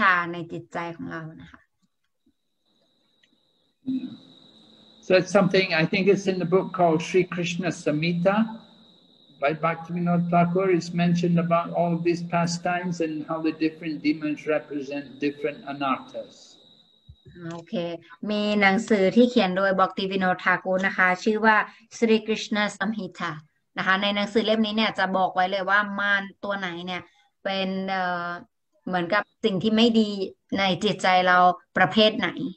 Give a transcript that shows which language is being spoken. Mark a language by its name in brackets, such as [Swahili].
[Thai] แล้วก็มารที่เป็นลานะคะที่ชื่อว่าเรนุกาสุระเนี่ยที่โดนสังหารโดยบาลารามเนี่ยมารตัวนี้ก็แทนความอวิชชาในจิตใจของเรานะคะ [English] So it's something I think it's in the book called Sri Krishna Samhita. By Bhaktivinoda Thakur, it's mentioned about all of these pastimes and how the different demons represent different anarthas. Okay. [Thai] มีหนังสือที่เขียนโดย Bhaktivinoda Thakur นะคะ ชื่อว่า Sri Krishna Samhita นะคะ ในหนังสือเล่มนี้เนี่ย จะบอกไว้เลยว่ามารตัวไหนเนี่ย เป็นเหมือนกับสิ่งที่ไม่ดีในจิตใจเราประเภทไหน